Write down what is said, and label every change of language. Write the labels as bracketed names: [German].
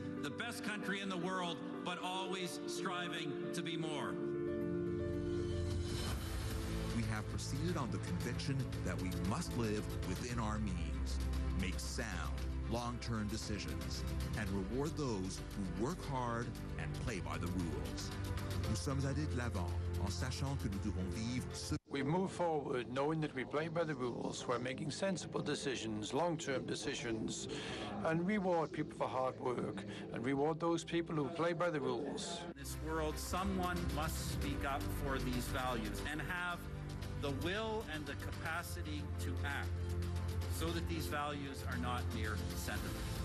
[English] The best country in the world, but always striving to be more. We have proceeded on the conviction that we must live within our means, make sound, long-term decisions, and reward those who work hard and play by the rules. [French] Nous sommes allés de l'avant en sachant que nous devons vivre ce... [English] We move forward knowing that we play by the rules, we're making sensible decisions, long-term decisions, and reward people for hard work, and reward those people who play by the rules. In this world, someone must speak up for these values and have the will and the capacity to act, so that these values are not mere sentiment.